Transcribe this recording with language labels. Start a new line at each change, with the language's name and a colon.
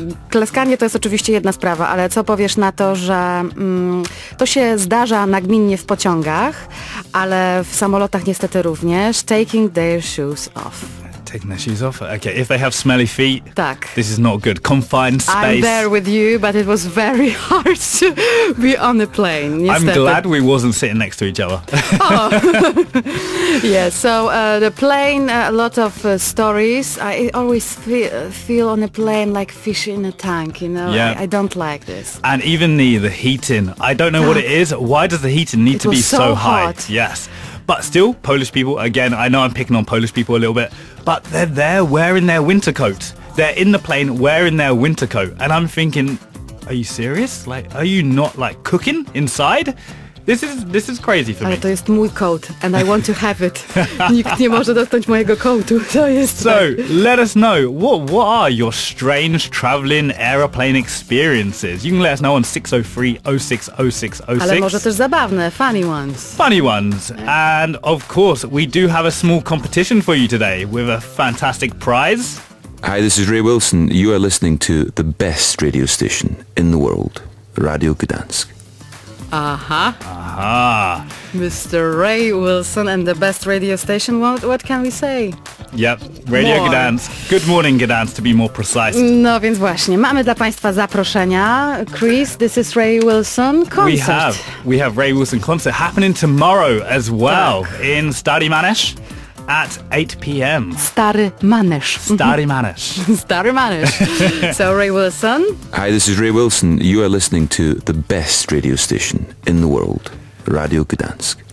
Polish: klaskanie to jest oczywiście jedna sprawa, ale co powiesz na to, że to się zdarza nagminnie w pociągach, ale w samolotach niestety również.
English: Taking their shoes off. Taking their shoes off. Okay, if they have smelly feet,
Polish: tak.
English: This is not good. Confined space. I'm there with you, but it was very hard to be on the plane.
Polish: Niestety.
English: I'm glad we wasn't sitting next to each other. Oh. Yeah, so the plane, a lot of stories. I always feel on a plane like fish in a tank, you know? Yeah. I don't like this. And even the heating. I don't know what it is. Why does the heating need it to be so hot. High? Yes. But still, Polish people, again, I know I'm picking on Polish people a little bit, but they're there wearing their winter coat. They're in the plane wearing their winter coat. And I'm thinking, are you serious? Like, are you not, like, cooking inside? This is crazy for
Polish: Ale
English: me.
Polish: Ale to jest mój
English: coat, and I want to have it.
Polish: Nikt nie może dostać mojego coatu. To jest
English: so, let us know, what are your strange traveling aeroplane experiences? You can let us know on 603-060606.
Polish: Ale może też zabawne,
English: funny ones. Funny ones. Yeah. And, of course, we do have a small competition for you today with a fantastic prize. Hi, this is Ray Wilson. You are listening to the best radio station in the world, Radio Gdansk. Aha. Aha. Mr. Ray Wilson and the best radio station. What can we say? Yep, Radio more. Gdansk. Good morning, Gdansk, to be more precise.
Polish: No więc właśnie, mamy dla Państwa zaproszenia.
English: Chris, this is Ray Wilson concert. We have Ray Wilson concert happening tomorrow as well in Stary Manesz. At 8 p.m. Stary Manesz. Stary Manesz. Stary Manesz. So, Ray Wilson. Hi, this is Ray Wilson. You are listening to the best radio station in the world, Radio Gdansk.